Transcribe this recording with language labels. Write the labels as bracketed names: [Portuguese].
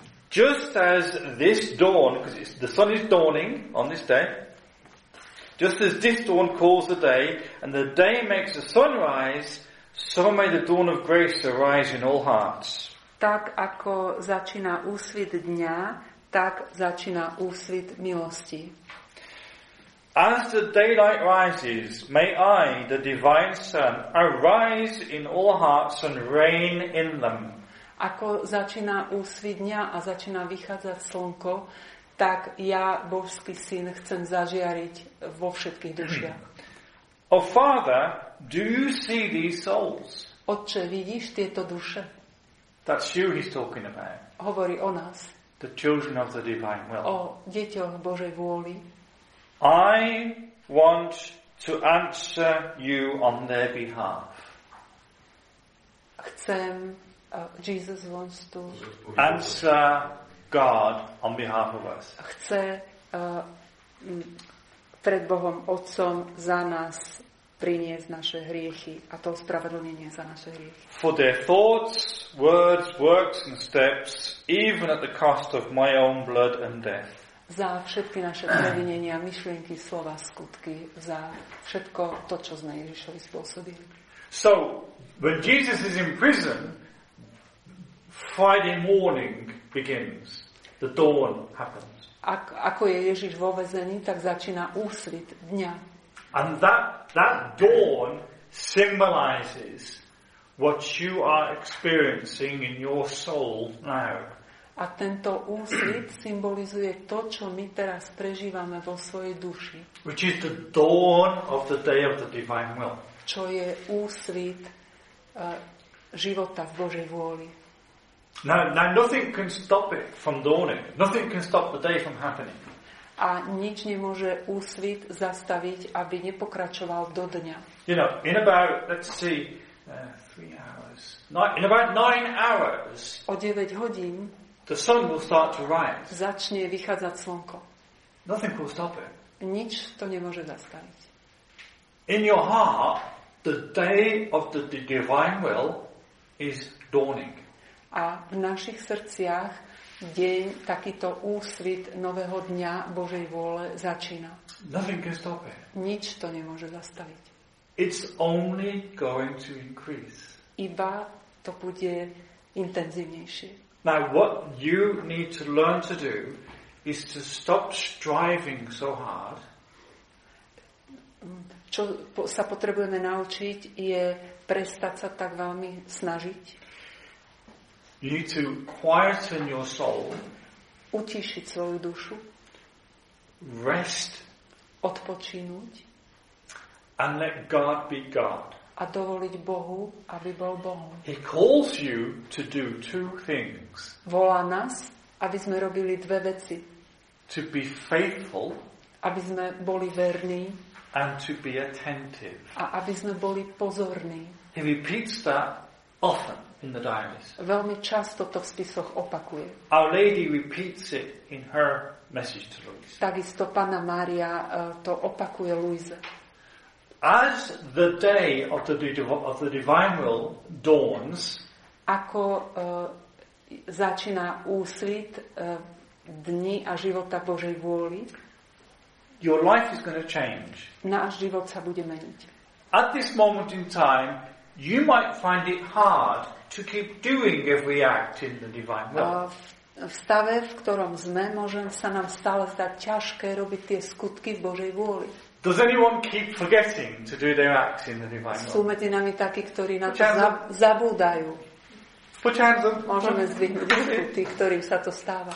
[English] Just as this dawn, because the sun is dawning on this day, just as this dawn calls the day, and the day makes the sun rise, so may the dawn of grace arise in all hearts. [Slovak] Tak ako začína úsvit dňa, tak začína úsvit milosti. [English] As the daylight rises, may I, the divine Son, arise in all hearts and reign in them. [Slovak] Ako začína úsvit dňa a začína vychádzať slnko, tak ja, Božský Syn, chcem zažiariť vo všetkých dušiach. [English] O Father, do you see these souls? [Slovak] Otče, vidíš tieto duše? [English] That's you he's talking about. [Slovak] Hovorí o nás. [English] The children of the divine will. [Slovak] O deťoch Božej vôli. [English] I want to answer you on their behalf. [Slovak] Chcem, [English] Jesus wants to answer God on behalf of us. [Slovak] Chce pred Bohom Otcom za nás priniesť naše hriechy a to spravedlnenie za naše hriechy. [English] For their thoughts, words, works and steps, even at the cost of my own blood and death. [Slovak] Za všetky naše previnenia, myšlienky, slova, skutky, za všetko to, čo sme Ježišovi spôsobili. [English] So, when Jesus is in prison, Friday morning begins. The dawn happens. [Slovak] Ako je Ježiš vo väzení, tak začína úsvit dňa. [English] And that dawn symbolizes what you are experiencing in your soul now. [Slovak] A tento úsvit symbolizuje to, čo my teraz prežívame vo svojej duši. [English] Which is the dawn of the day of the divine will. [Slovak] Čo je úsvit života v Božej vôli. [English] Now nothing can stop it from dawning. Nothing can stop the day from happening. [Slovak] A nič nemôže úsvit zastaviť, aby nepokračoval do dňa. [English] You know, in about, let's see, 3 hours. In about 9 hours. [Slovak] O 9 hodín. [English] The sun will start to rise. [Slovak] Začne vychádzať slnko. [English] Nothing will stop it. [Slovak] Nič to nemôže zastaviť. [English] In your heart, the day of the divine will is dawning. [Slovak] A v našich srdciach deň, takýto úsvit nového dňa Božej vôle začína. [English] Nothing can stop it. [Slovak] Nič to nemôže zastaviť. [English] It's only going to increase. [Slovak] Iba to bude intenzívnejšie. [English] Now what you need to learn to do is to stop striving so hard. [Slovak] Čo sa potrebujeme naučiť je prestať sa tak veľmi snažiť. [English] You need to quieten your soul. [Slovak] Utíšiť svoju dušu. [English] Rest. [Slovak] Odpočinúť. [English] And let God be God. [Slovak] A dovoliť Bohu, aby bol Bohom. [English] He calls you to do two things. [Slovak] Volá nás, aby sme robili dve veci. [English] To be faithful. [Slovak] Aby sme boli verní. [English] And to be attentive. [Slovak] A aby sme boli pozorní. [English] He repeats that often in the diaries. [Slovak] Veľmi často to v spisoch opakuje. [English] Our Lady repeats it in her message to Louise. [Slovak] Takisto Panna Mária to opakuje Louise. [English] As the day of the divine will dawns, [Slovak] ako začína úsvit dni a života Božej vôli, [English] your life is going to change. [Slovak] Náš život sa bude meniť. [English] At this moment in time, you might find it hard to keep doing every act in the divine will. [Slovak] V stave, v ktorom sme, môžem sa nám stále zdať ťažké robiť tie skutky v Božej vôli. [English] Does anyone keep forgetting to do their acts in the divine will? [Slovak] Sú medzi nami takí, ktorí na to zabúdajú. [English] Put your hands up. [Slovak] Môžeme zdvihnúť tých, ktorým sa to stáva.